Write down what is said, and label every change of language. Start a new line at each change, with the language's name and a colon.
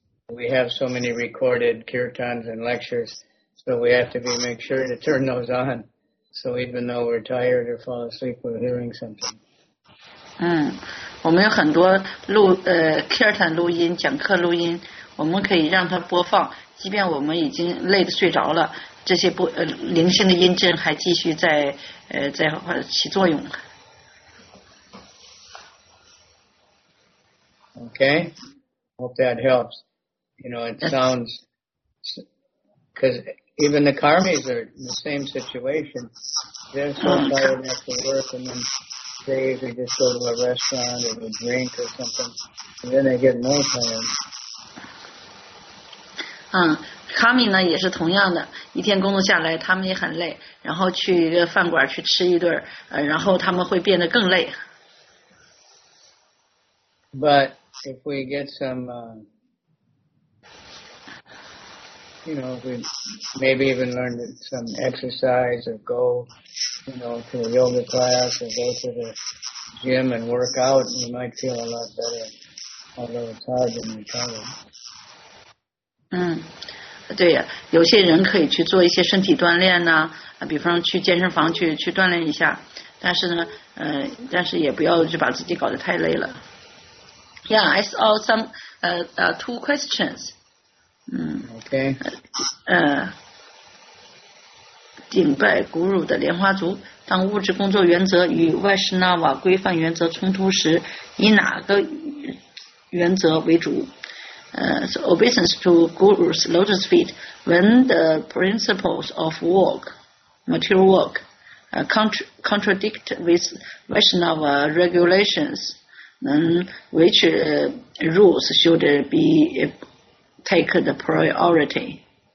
English: We have so many recorded kirtans and lectures, so we have to make sure to turn those on. So even though we're tired or fall asleep, we're hearing something.
Chinese: 我们有很多kirtan 录音，讲课录音，我们可以让它播放，即便我们已经累得睡着了，这些灵性的音阵还继续在起作用。
English: Okay, hope that helps. You know, it sounds Because even the karmis are in the same situation. They're so tired after work, and then they usually just go to a restaurant or a drink or something, and then they get no time.
Chinese: 嗯，卡米呢也是同样的，一天工作下来，他们也很累，然后去一个饭馆去吃一顿，然后他们会变得更累。
English: But if we get some, you know, if we maybe even learn some exercise or go, you know, to a yoga class or go to the gym and work out, we might feel a lot better, although it's hard to recover.
Chinese: 嗯，对呀，有些人可以去做一些身体锻炼呢，啊，比方去健身房去锻炼一下，但是呢，但是也不要就把自己搞得太累了。
English: Yeah, I saw some, two questions. Okay.
Chinese: 顶拜古鲁的莲花族，当物质工作原则与外施纳瓦规范原则冲突时，以哪个原则为主？
English: So obeisance to gurus, lotus feet, when the principles of work, material work, contradict with Vaishnava regulations, then which rules should be take the priority?